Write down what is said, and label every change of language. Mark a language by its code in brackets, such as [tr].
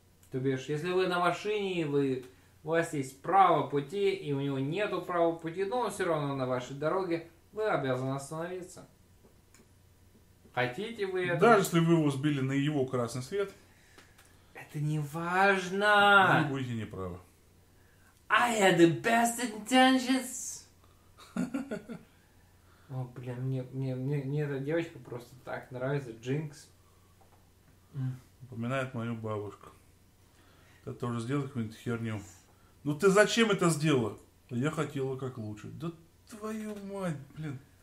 [ru] То бишь, если вы на машине, у вас есть право пути, и у него нету права пути, но он все равно на вашей дороге, вы обязаны остановиться. Хотите вы это? Даже если вы его сбили на его красный свет. Это не важно. Вы будете неправы. А [en] I had the best intentions. [ru] О, блин, мне эта девочка просто так нравится, Джинкс. Напоминает мою бабушку. Ты тоже сделал какую-нибудь херню. Ну ты зачем это сделала? Я хотела как лучше. Да твою мать, блин.